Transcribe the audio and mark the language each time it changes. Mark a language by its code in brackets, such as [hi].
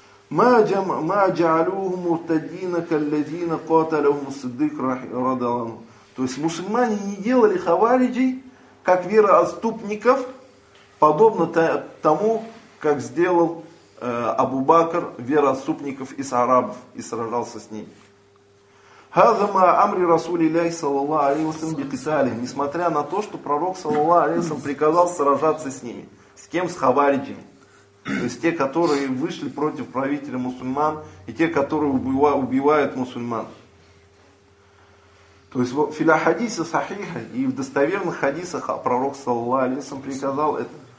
[ar] مَا جَعَلُوهُ مُرْتَدِينَ كَالَّذِينَ قَاتَلَهُمُ الصِّدِّيقُ رَضِيَ اللَّهُ عَنْهُ. [ru] То есть, мусульмане не делали хавариджей, как вероотступников, подобно тому, как сделал Абу Бакр вероотступников из арабов и сражался с ними. [ar] هذا ما امر رسول الله صلى الله عليه وسلم بقتاله. [ru] Несмотря на то, что пророк саллаллаху алейхи ва саллям приказал сражаться с ними, с кем? С хавариджами. То есть те, которые вышли против правителя мусульман, и те, которые убивают мусульман. То есть в хадисе сахиха и в достоверных хадисах пророк саллаллаху алейхи ва саллям приказал это.